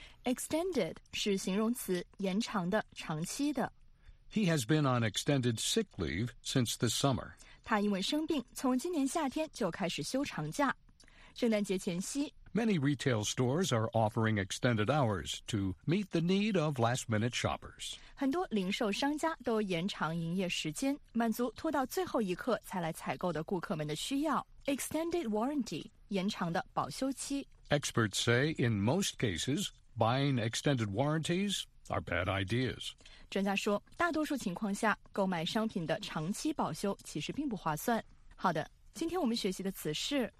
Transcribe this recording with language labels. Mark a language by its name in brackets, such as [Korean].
[Chinese] Extended 是形容词，延长的，长期的。 [English] He has been on extended sick leave since the summer. [Chinese] 他因为生病，从今年夏天就开始休长假。圣诞节前夕 [English] Many retail stores are offering extended hours to meet the need of last-minute shoppers. [Chinese] 很多零售商家都延长营业时间，满足拖到最后一刻才来采购的顾客们的需要。 [English] Extended warranty, [Chinese] 延长的保修期。 [English] Experts say, in most cases, buying extended warranties are bad ideas. [Chinese] 专家说，大多数情况下，购买商品的长期保修其实并不划算。好的，今天我们学习的词是